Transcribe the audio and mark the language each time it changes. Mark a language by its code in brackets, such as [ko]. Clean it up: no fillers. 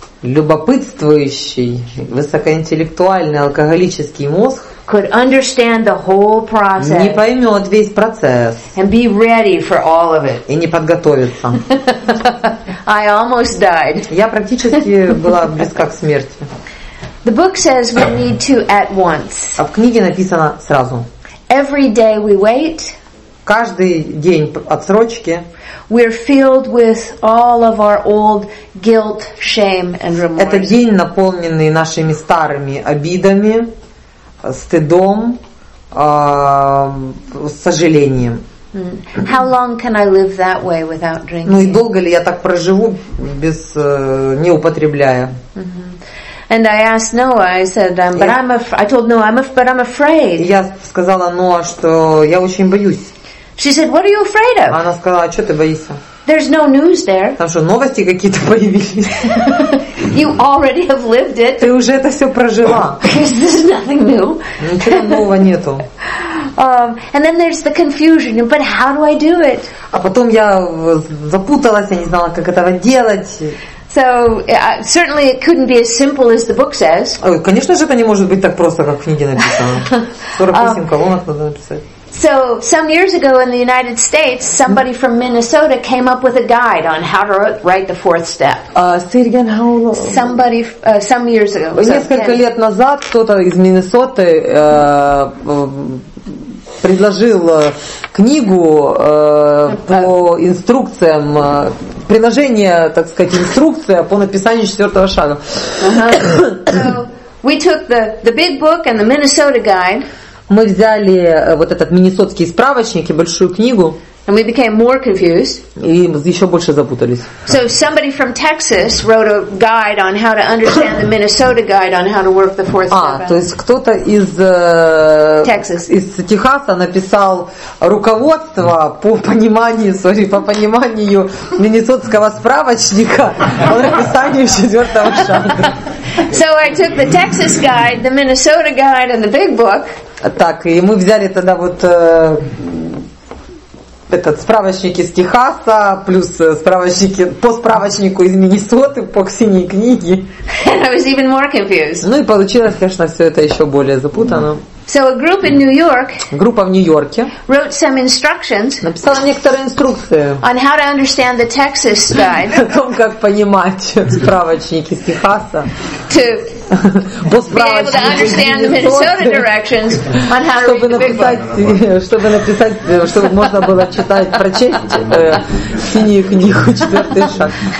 [ru] Любопытствующий, высокоинтеллектуальный алкоголический мозг [en] could understand the whole process. [ru] Не поймет весь процесс. [en] And be ready for all of it. [ru] И не подготовится. [en] I almost died. [ru] Я практически была близка к смерти. [en] The book says we need to at once. [ru] А в книге написано сразу. [en] Every day we wait. [ru] Каждый день отсрочки. [en] We're filled with all of our old guilt, shame, and remorse. [ru] Это день, наполненный нашими старыми обидами, стыдом, сожалением. [en] How long can I live that way without drinking? [ru] Ну и долго ли я так проживу без не употребляя? [en] And I asked Noah, I said, but I'm I told Noah, but I'm afraid. [ru] Я сказала Ноа, что я очень боюсь. [en] She said, what are you afraid of? [ru] Она сказала, что ты боишься? [en] There's no news there. [ru] Там что, новости какие-то появились? [en] You already have lived it. [ru] Ты уже это все прожила. [en] Because there's nothing new. [ru] Ничего нового нету. [en] And then there's the confusion, but how do I do it? [ru] А потом я запуталась, я не знала, как этого делать. [en] So certainly it couldn't be as simple as the book says. [ru] Ой, конечно же, это не может быть так просто, как в книге написано. 48 колонок надо написать. [en] So some years ago in the United States, somebody from Minnesota came up with a guide on how to write the fourth step. Say it again, how long? Somebody some years ago. [ru] Несколько лет назад кто-то из Миннесоты предложил книгу по инструкциям, приложение, так сказать, инструкция по написанию четвертого шага. [en] So we took the big book and the Minnesota guide. [ru] Мы взяли вот этот миннесотский справочник и большую книгу. [en] And we became more confused. [ru] И еще больше запутались. [en] So somebody from Texas wrote a guide on how to understand the Minnesota guide on how to work the fourth step. [ru] А, то есть кто-то из [en] Texas. [ru] Из Техаса написал руководство по пониманию, sorry, по пониманию миннесотского справочника по написанию четвертого шага. [en] So I took the Texas guide, the Minnesota guide, and the big book. [ru] Так, и мы взяли тогда вот этот справочник из Техаса, плюс справочники по справочнику из Миннесоты, по синей книге. [en] And I was even more confused. [ru] Ну и получилось, конечно, все это еще более запутано. [en] So a group in New York [ru] группа в Нью-Йорке [en] wrote some instructions [ru] написала некоторые инструкции [en] on how to understand the Texas guide. [ru] О том, как понимать справочник из Техаса. [en] To be able to understand the Minnesota directions on how to read the big book. [ru] Чтобы написать, чтобы можно было читать, прочесть синюю книгу четвертый шаг.